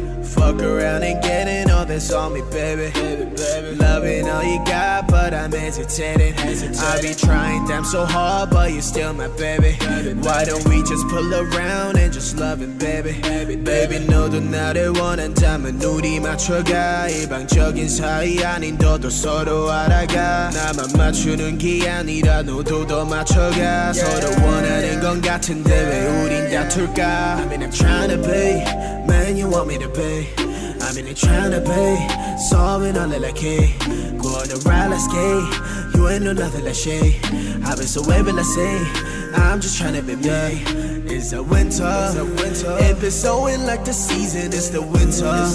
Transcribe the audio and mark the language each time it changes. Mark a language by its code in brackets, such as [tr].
[en] Fuck around and getting all this on me, baby. Loving all you got, but I'm hesitating. I be trying damn so hard, but you're still my baby. Why don't we just pull around and just love it, baby? [ko] Baby, 너도 나를 원한다면 우리 맞춰가. 일방적인 사이 아닌 너도 서로 알아가. 나만 맞추는 게 아니라 너도 더 맞춰가. 서로 원하는 건 같은데 왜 우린 다툴까? [en] I mean I'm trying to be, man, you want me to be. I mean I'm trying to be, solving all that like hey. Go on the ride, let's skate. You ain't no nothing like shade. I've been so wavy, let's say. I'm just trying to be me. It's the winter. It's been snowing like the season. It's the winter.